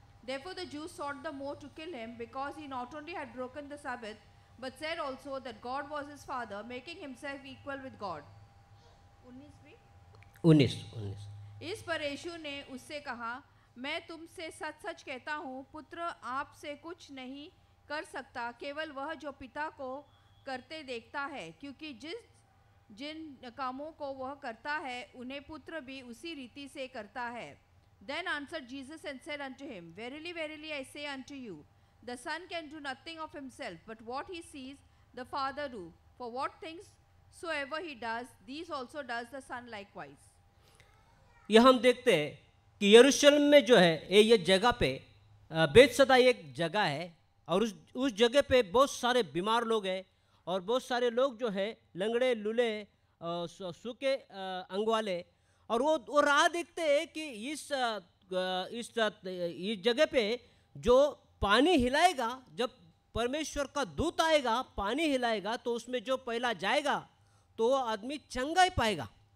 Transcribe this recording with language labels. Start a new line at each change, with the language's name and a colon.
English: Therefore the Jews sought the more to kill him, because he not only had broken the Sabbath, but said also that God was his father, making himself equal with God. 19.
Hindi: इस पर यीशु ने उससे कहा, मैं तुमसे सच सच कहता हूँ, पुत्र आप से कुछ नहीं कर सकता, केवल वह जो पिता को करते देखता है, क्योंकि जिन कामों को वह करता है उन्हें पुत्र भी उसी रीति से करता है।
English: Then answered Jesus and said unto him, Verily, verily, I say unto you, the Son can do nothing of himself, but what he sees, the Father do. For what things soever he does, these also does the Son likewise.
Hindi: यह हम देखते हैं कि यरूशलेम में जो है ये जगह पे बेतसदा एक जगह है, और उस जगह पे बहुत सारे बीमार लोग हैं, और बहुत सारे लोग जो है लंगड़े लुले सूखे अंग वाले, और वो राह देखते हैं कि इस जगह पे जो पानी हिलाएगा, जब परमेश्वर का दूत आएगा, पानी हिलाएगा, तो उसमें जो पहला जाएगा तो वो आदमी चंगा ही पाएगा।